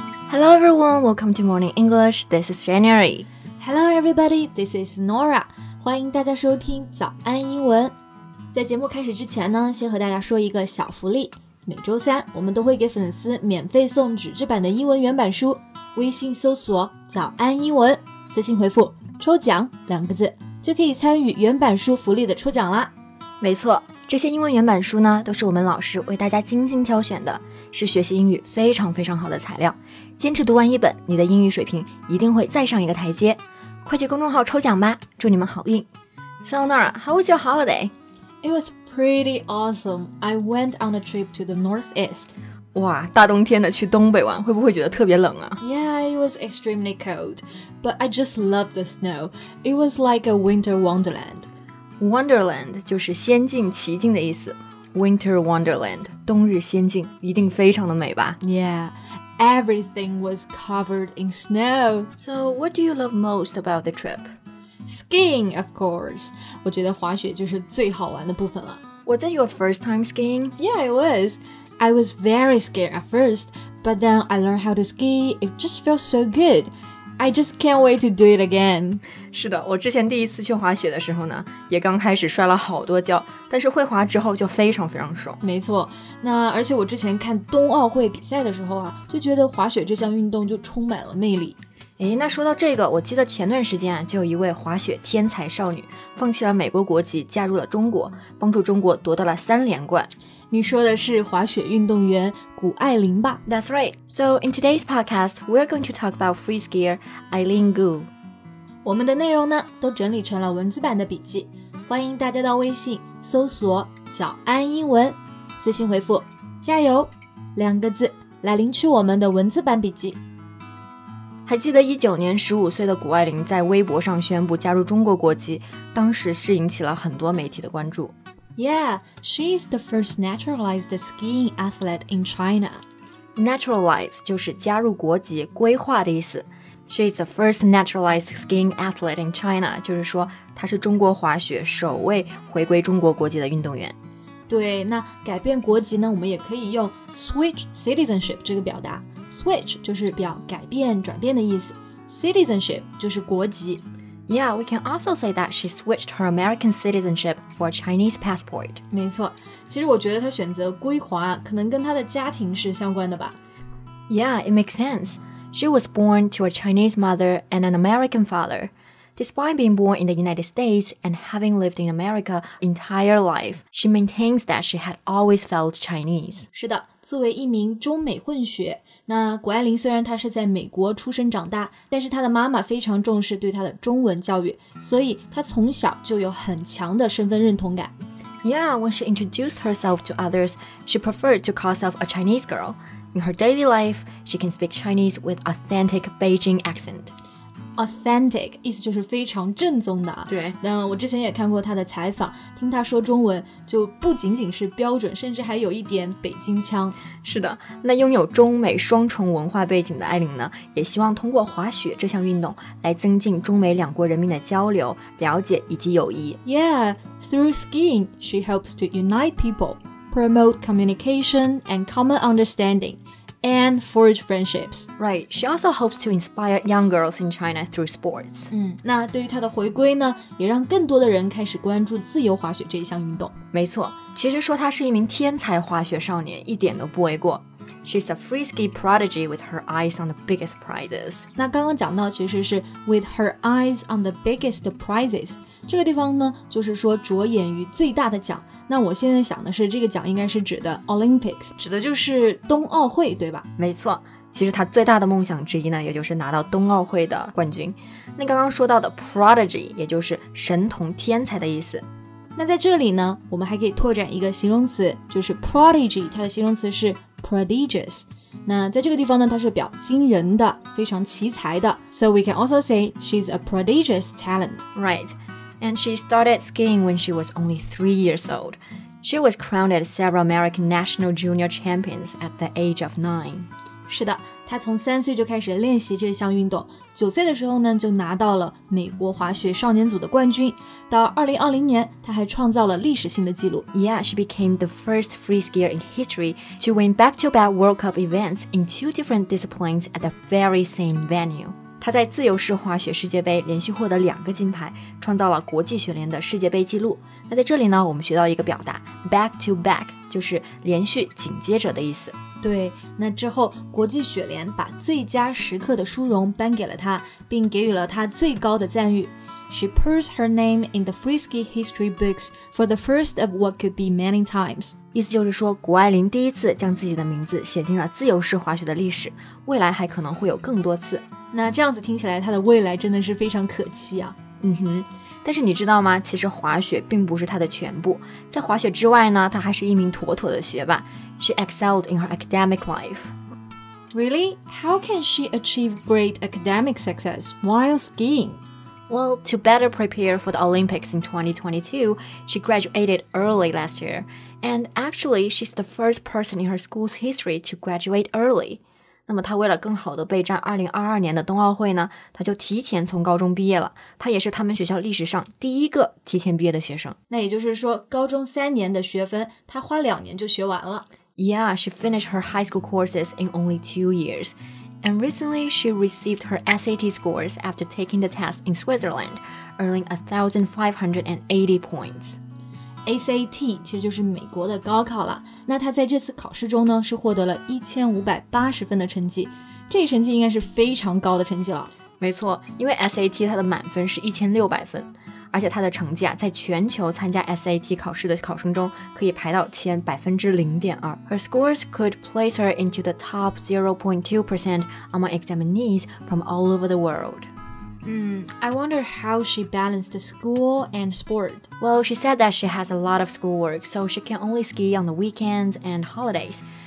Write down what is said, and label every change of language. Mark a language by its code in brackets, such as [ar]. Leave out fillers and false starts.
[en] Hello everyone, welcome to Morning English, this is January. Hello everybody, this is Nora. [zh] 欢迎大家收听早安英文。在节目开始之前呢，先和大家说一个小福利。每周三，我们都会给粉丝免费送纸质版的英文原版书。微信搜索早安英文，私信回复抽奖两个字，就可以参与原版书福利的抽奖啦。没错，这些英文原版书呢，都是我们老师为大家精心挑选的，是学习英语非常非常好的材料。坚持读完一本，你的英语水平一定会再上一个台阶。快去公众号抽奖吧，祝你们好运。 [en] So Nora, how was your holiday? It was pretty awesome. I went on a trip to the northeast. [zh] 哇，大冬天的去东北玩，会不会觉得特别冷啊？ [en] Yeah, it was extremely cold. But I just loved the snow. It was like a winter wonderland. [zh] Wonderland 就是仙境奇境的意思。 [en] Winter wonderland, [zh] 冬日仙境，一定非常的美吧。 [en] Yeah. Everything was covered in snow. So what do you love most about the trip? Skiing, of course. [zh] 我觉得滑雪就是最好玩的部分了。 [en] Was that your first time skiing? Yeah, it was. I was very scared at first, but then I learned how to ski. It just felt so good. I just can't wait to do it again. [zh] 是的，我之前第一次去滑雪的时候呢，也刚开始摔了好多跤，但是会滑之后就非常非常爽。没错，那而且我之前看冬奥会比赛的时候啊，就觉得滑雪这项运动就充满了魅力。诶，那说到这个，我记得前段时间啊，就有一位滑雪天才少女放弃了美国国籍嫁入了中国，帮助中国夺得了三连冠。你说的是滑雪运动员谷爱凌吧？ [en] That's right. So in today's podcast, we're going to talk about free skier Eileen Gu. [zh] 我们的内容呢，都整理成了文字版的笔记，欢迎大家到微信搜索早安英文，私信回复加油两个字来领取我们的文字版笔记。还记得19年15岁的谷爱凌在微博上宣布加入中国国籍，当时是引起了很多媒体的关注。 [en] Yeah, she is the first naturalized skiing athlete in China. [zh] Naturalized 就是加入国籍、归化的意思。 [en] She is the first naturalized skiing athlete in China, [zh] 就是说她是中国滑雪首位回归中国国籍的运动员。对，那改变国籍呢，我们也可以用 [en] switch citizenship [zh] 这个表达。 Switch 就是表改变、转变的意思。Citizenship 就是国籍。 [en] Yeah, we can also say that she switched her American citizenship for a Chinese passport. [zh] 没错，其实我觉得她选择归华可能跟她的家庭是相关的吧。 [en] Yeah, it makes sense. She was born to a Chinese mother and an American father. Despite being born in the United States and having lived in America entire life, she maintains that she had always felt Chinese. [zh] 是的，作为一名中美混血，那谷爱凌虽然她是在美国出生长大，但是她的妈妈非常重视对她的中文教育，所以她从小就有很强的身份认同感。 [en] Yeah, when she introduced herself to others, she preferred to call herself a Chinese girl. In her daily life, she can speak Chinese with authentic Beijing accent. [zh] Authentic, 意思就是非常正宗的。对。那我之前也看过她的采访，听她说中文就不仅仅是标准，甚至还有一点北京腔。是的，那拥有中美双重文化背景的艾琳呢，也希望通过滑雪这项运动来增进中美两国人民的交流、了解以及友谊。 [en] Yeah, through skiing, she hopes to unite people, promote communication and common understanding. And forge friendships. Right, she also hopes to inspire young girls in China through sports. [zh] 那对于她的回归呢，也让更多的人开始关注自由滑雪这一项运动。没错，其实说她是一名天才滑雪少年一点都不为过。 [en] She's a free ski prodigy with her eyes on the biggest prizes. [zh] 那刚刚讲到其实是 [en] with her eyes on the biggest prizes. [zh] 这个地方呢，就是说着眼于最大的奖。那我现在想的是这个奖应该是指的 Olympics, 指的就是冬奥会，对吧？没错，其实她最大的梦想之一呢，也就是拿到冬奥会的冠军。那刚刚说到的 prodigy, 也就是神童天才的意思。那在这里呢，我们还可以拓展一个形容词，就是 prodigy, 它的形容词是prodigious. 那在这个地方呢，它是表惊人的，非常奇才的。 [en] So we can also say she's a prodigious talent. Right. And she started skiing when she was only 3 years old. She was crowned several American national junior champions at the age of 9. [zh] 是的，他从三岁就开始练习这项运动，九岁的时候呢，就拿到了美国滑雪少年组的冠军。到2020年，他还创造了历史性的记录。 [en] Yeah, she became the first free skier in history to win back-to-back World Cup events in two different disciplines at the very same venue. [zh] 他在自由式滑雪世界杯连续获得两个金牌，创造了国际雪联的世界杯纪录。那在这里呢，我们学到一个表达 back to back， 就是连续紧接着的意思。对，那之后国际雪联把最佳时刻的殊荣颁给了他，并给予了他最高的赞誉。 [en] She puts her name in the freeski history books for the first of what could be many times. [zh] 意思就是说，谷爱凌第一次将自己的名字写进了自由式滑雪的历史，未来还可能会有更多次。那这样子听起来，她的未来真的是非常可期啊。嗯哼，但是你知道吗？其实滑雪并不是她的全部，在滑雪之外呢，她还是一名妥妥的学霸。 [en] She excelled in her academic life. Really? How can she achieve great academic success while skiing? Well, to better prepare for the Olympics in 2022, she graduated early last year. And actually, she's the first person in her school's history to graduate early. [zh] 那么她为了更好地备战2022年的冬奥会呢，她就提前从高中毕业了。她也是他们学校历史上第一个提前毕业的学生。那也就是说，高中三年的学分，她花两年就学完了。 [en] Yeah, she finished her high school courses in only 2 years. And recently, she received her SAT scores after taking the test in Switzerland, earning 1,580 points. [zh] SAT 其实就是美国的高考了。那她在这次考试中呢，是获得了1,580分的成绩。这一成绩应该是非常高的成绩了。没错，因为 SAT 它的满分是1,600分。而且他的成绩啊，在全球参加 SAT 考试的考生中可以排到前 0.2%。 [en] Her scores could place her into the top 0.2% among examinees from all over the world. I wonder how she balanced school and sport. Well, she said that she has a lot of schoolwork, so she can only ski on the weekends and holidays.